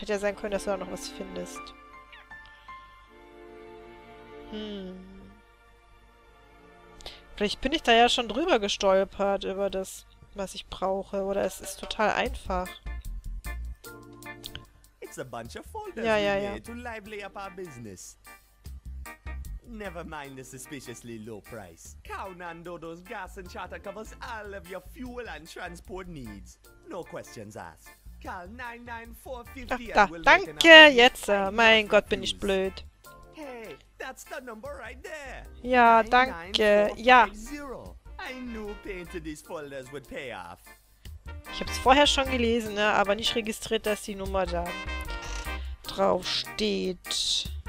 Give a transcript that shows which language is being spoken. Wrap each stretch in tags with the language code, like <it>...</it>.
<de>Hätte ja sein können, dass du da noch was findest. Vielleicht bin ich da ja schon drüber gestolpert über das, was ich brauche. Oder es ist total einfach.</de> <en>It's a bunch of folders to lively up our business. Never mind the suspiciously low price. Count on Dodo's gas and charter covers all of your fuel and transport needs. No questions asked. Call 99450 and we'll</en> <de>danke, jetzt. Mein Gott, bin ich blöd.</de> <en>Hey, that's the number right there.</en> <de>Ja, danke. Ja.</de> <en>I knew painting these folders would pay off.</en> <de>Ich hab's vorher schon gelesen, ne? Aber nicht registriert, dass die Nummer da drauf steht.</de>